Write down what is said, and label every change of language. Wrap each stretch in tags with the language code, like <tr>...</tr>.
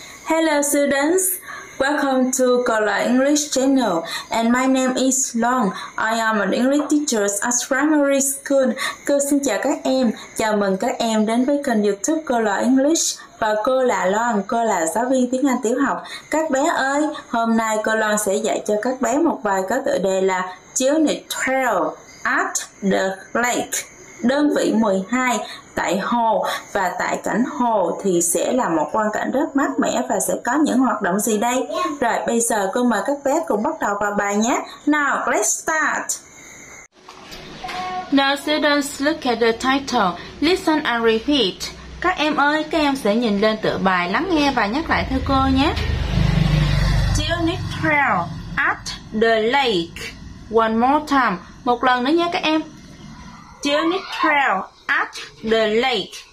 <en>Hello students, welcome to Gola English Channel, and my name is Long. I am an English teacher at primary school.</en> <vi>Cô xin chào các em, chào mừng các em đến với kênh YouTube Gola English. Và cô là Loan, cô là giáo viên tiếng Anh tiểu học. Các bé ơi, hôm nay cô Loan sẽ dạy cho các bé một bài có tựa đề là</vi> <en>Unit 12 at the lake.</en> <vi>Đơn vị 12 tại hồ, và tại cảnh hồ thì sẽ là một quang cảnh rất mát mẻ và sẽ có những hoạt động gì đây? Rồi bây giờ cô mời các bé cùng bắt đầu vào bài nhé.</vi> <en>Now, let's start. Now students, look at the title. Listen and repeat.</en> <vi>Các em ơi, các em sẽ nhìn lên tựa bài, lắng nghe và nhắc lại theo cô nhé.</vi> <en>Unit 12 at the lake. One more time.</en> <vi>Một lần nữa nhé các em.</vi> <en>Unit 12 at the lake.</en>